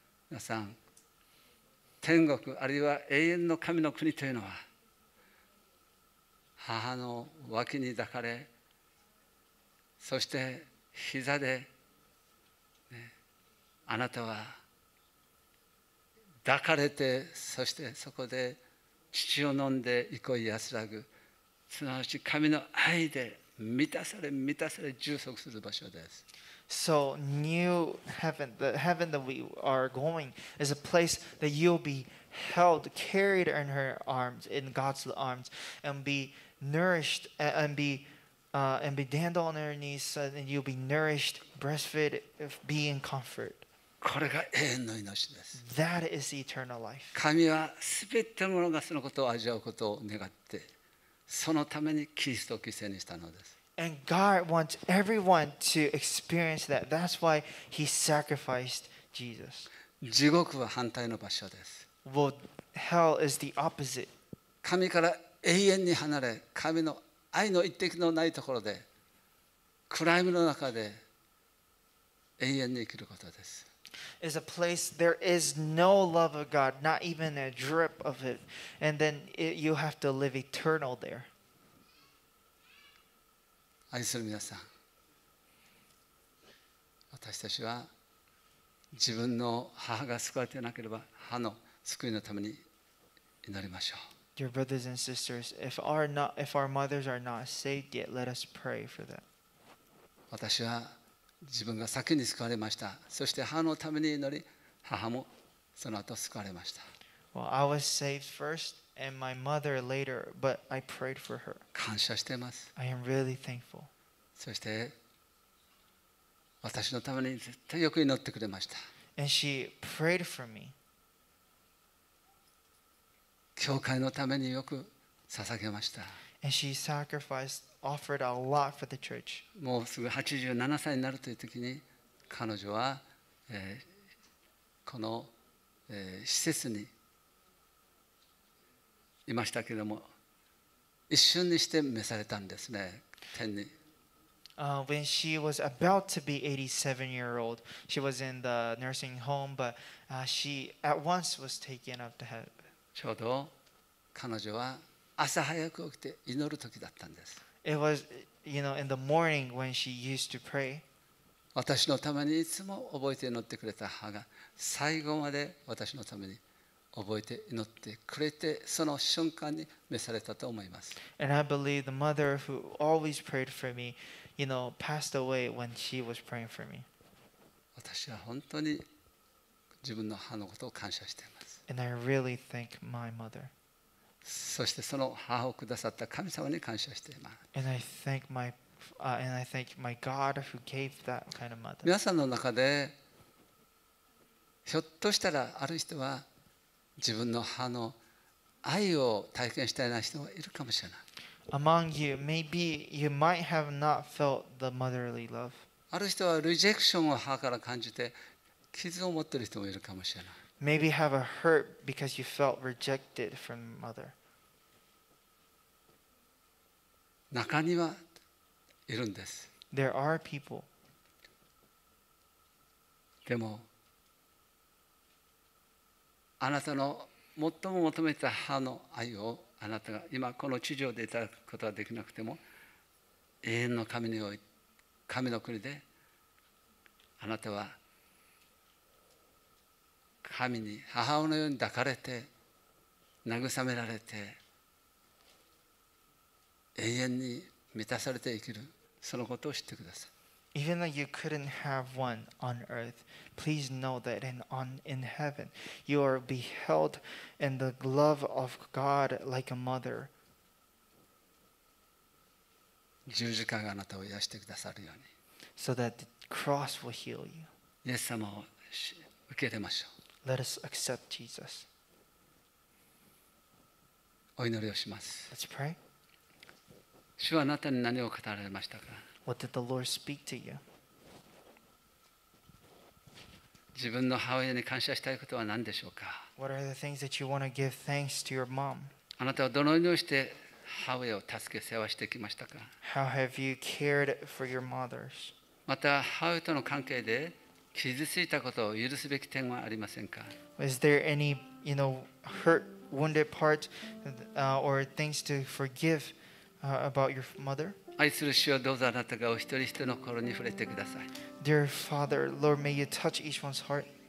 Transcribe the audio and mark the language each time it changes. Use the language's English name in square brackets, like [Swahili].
[Japanese] 皆さん、天国あるいは永遠の神の国というのは、母の脇に抱かれ、そして膝で、ね、あなたは抱かれて、そしてそこで乳を飲んで憩い安らぐ、すなわち神の愛で、満たされ満たされ充足する場所です。 [English] So new heaven, the heaven that we are going, is a place that you'll be held, carried in her arms, in God's arms, and be nourished and be dandled on her knees, and you'll be nourished, breastfed, be in comfort. [Japanese] これが永遠の命です。 [English] That is eternal life. [Japanese] 神はすべてのものがそのことを味わうことを願って。そのためにキリストを犠牲にしたのです。 [English] And God wants everyone to experience that. That's why He sacrificed Jesus. [Japanese] 地獄は反対の場所です。 [English] Well, hell is the opposite. [Japanese] 神から永遠に離れ、神の愛の一滴のないところで、暗闇の中で永遠に生きることです。 [English] Is a place there is no love of God, not even a drip of it, and then you have to live eternal there. [Japanese] 愛する皆さん、私たちは自分の母が救われていなければ母の救いのために祈りましょう。 [English] Dear brothers and sisters, if our mothers are not saved yet, let us pray for them. [Japanese] 私は自分が先に救われました。そして母のために祈り、母もその後救われました。 [English] Well, I was saved first and my mother later, but I prayed for her. [Japanese] 感謝しています。 [English] I am really thankful. [Japanese] そして私のために絶対よく祈ってくれました。 [English] And she prayed for me. [Japanese] 教会のためによく捧げました。 [English] And she sacrificed, offered a lot for the church. [Japanese] もうすぐ87歳になるという時に彼女は、この、施設にいましたけれども、一瞬にして召されたんですね、天に。 [English] When she was about to be 87 year old, she was in the nursing home, but she at once was taken up to heaven. [Japanese] ちょうど彼女は朝早く起きて祈る時だったんです。 [English] It was, you know, in the morning when she used to pray. [Japanese] 私のためにいつも覚えて祈ってくれた母が最後まで私のために覚えて祈ってくれて、その瞬間に召されたと思います。 [English] And I believe the mother who always prayed for me, you know, passed away when she was praying for me. [Japanese] 私は本当に自分の母のことを感謝しています。 [English] And I really thank my mother. [Japanese] そしてその母をくださった神様に感謝しています。 [English] And I thank myAnd I thank my God who gave that kind of mother. [Japanese] 皆さんの中でひょっとしたらある人は自分の母の愛を体験したいな人がいるかもしれない。 [English] Among you, maybe you might have not felt the motherly love. [Japanese] ある人はリジェクションを母から感じて傷を持っている人もいるかもしれない。 [English] Maybe have a hurt because you felt rejected from mother. [Japanese] 中にはいるんです。 [English] There are people. [Japanese] でもあなたの最も求めた母の愛をあなたが今この地上でいただくことはできなくても永遠の神の神の国であなたは神に母親のように抱かれて慰められて永遠に満たされて生きる。そのことを知ってください。 [English] Even though you couldn't have one on earth, please know that in heaven you are beheld in the love of God like a mother. [Japanese] 十字架があなたを癒してくださるように。 [English] So that the cross will heal you. [Japanese] イエス様を受け入れましょう。 [English] Let us accept Jesus. [Japanese] お祈りをします。 [English] Let's pray. [Japanese] 主はあなたに何を語られましたか。 [English] What did the Lord speak to you? [Japanese] 自分の母親に感謝したいことは何でしょうか。 [English] What are the things that you want to give thanks to your mom? [Japanese] あなたはどのようにして母親を助け世話してきましたか。 [English] How have you cared for your mothers? [Japanese] また母親との関係で傷ついたことを許すべき点はありませんか。 [English] Is there any, you know, hurt, wounded part, or things to forgive? About your mother? [Japanese] 愛する主よ、どうぞあなたがお一人一人の心に触れてください。 [English] Dear Father, Lord, may you touch each one's heart.